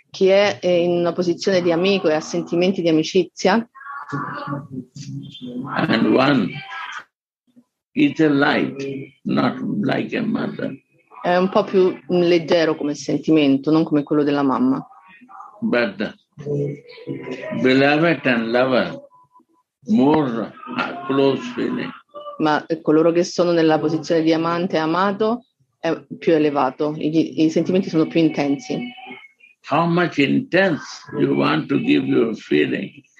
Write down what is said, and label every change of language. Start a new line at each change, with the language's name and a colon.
Italian: Chi è in una posizione di amico e ha sentimenti di amicizia.
English: And one is a light, not like a mother.
Italian: È un po' più leggero come sentimento, non come quello della mamma.
English: But beloved and lover, more a close feeling.
Italian: Ma coloro che sono nella posizione di amante e amato è più elevato, i sentimenti sono più intensi.
English: How much intense you want to give your feeling?